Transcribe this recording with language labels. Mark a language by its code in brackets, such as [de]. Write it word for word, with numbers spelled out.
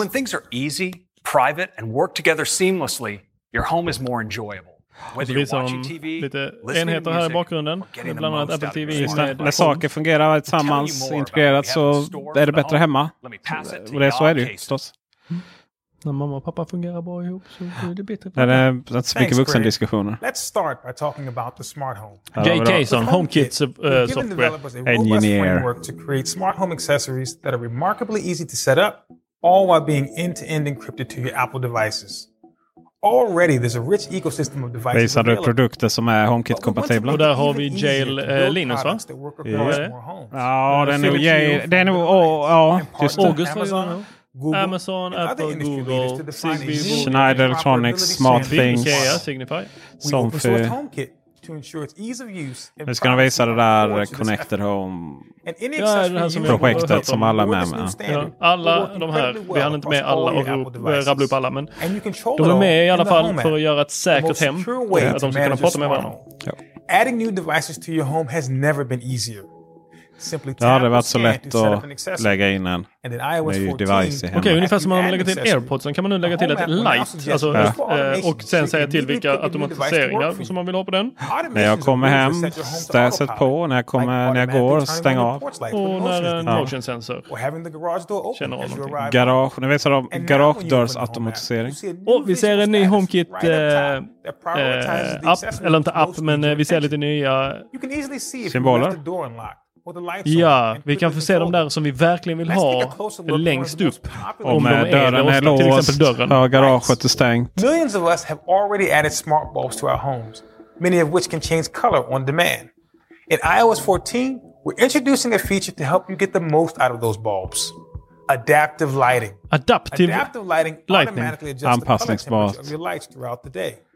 [en] And when things are easy, private and work together seamlessly, your home is more enjoyable. Whether you're watching T V, listening [sv] enheter här i bakgrunden, bland annat Apple T V. När saker fungerar tillsammans, integrerat, så är det bättre hemma. Och det så är det ju förstås. När mamma och pappa fungerar bra ihop så blir det bättre. Det är så mycket vuxendiskussioner. [en] Let's start by talking about the smart home. [sv] J K som HomeKits uh, software [en] engineer. Work to create smart home accessories that are remarkably easy to set up, all while being end-to-end encrypted to your Apple devices. Already there's a rich ecosystem of devices. [sv] Visar du produkter som är HomeKit-kompatibla? Och där har vi Jail uh, Linus, va? Yeah. Ja, den är nog Jail. Den är nog, ja, just August var Google, Amazon, Apple, Google, Zigbee, Schneider Electronics, Smart Things, Signify. Som för [en] to ensure its ease of use. [sv] Nu ska de visa det där Connected Home-projektet ja, som alla är med med. Ja, alla de här, vi hann inte med alla och rabbla upp alla, men de är med i alla fall för att göra ett säkert hem. Att de ska kunna prata med varandra. Ja. [en] Adding new devices to your home has never been easier. [sv] Simply ja, det hade varit så lätt att lägga in en ny device i hemmet. Okej, ungefär som man har lagt in AirPods, så kan man nu lägga till ett light. Alltså, ja. Och sen säga till vilka automatiseringar som man vill ha på den. När jag kommer hem, stäset på. När jag, kommer, när jag går, stäng av. Och när en motion sensor känner av någonting. Garage, nu visar de garage doors automatisering. Och vi ser en ny HomeKit eh, eh, app, eller inte app, men vi ser lite nya symboler. Ja, vi kan få se de där som vi verkligen vill ha längst upp. Om dörren är låst, ja, garaget är stängt. [en] Millions of us have already added smart bulbs to our homes, many of which can change color on demand. In i O S fourteen, we're introducing a feature to help you get the most out of those bulbs. Adaptive lighting. Adaptive, Adaptive lighting automatically adjusts the color temperature of your lights throughout the day.